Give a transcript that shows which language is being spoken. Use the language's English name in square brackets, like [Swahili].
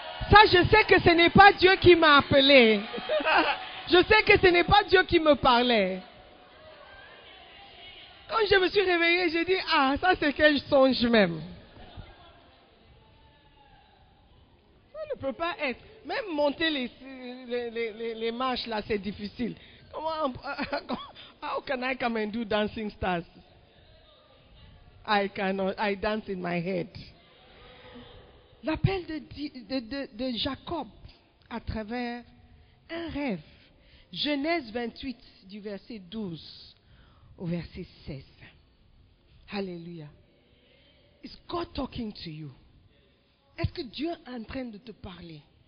[French] Ça, je sais que ce n'est pas Dieu qui m'a appelé. Je sais que ce n'est pas Dieu qui me parlait. Quand je me suis réveillée, j'ai dit, ah, ça c'est quel songe même. ne peux pas être. Même monter les marches là, c'est difficile. Comment [English] how can I come and do Dancing Stars? I cannot. I dance in my head. [French] L'appel de Jacob à travers un rêve. Genèse 28, du verset 12 au verset 16. Alléluia. [English] Is God talking to you? [French] Est-ce que Dieu est en train de te parler?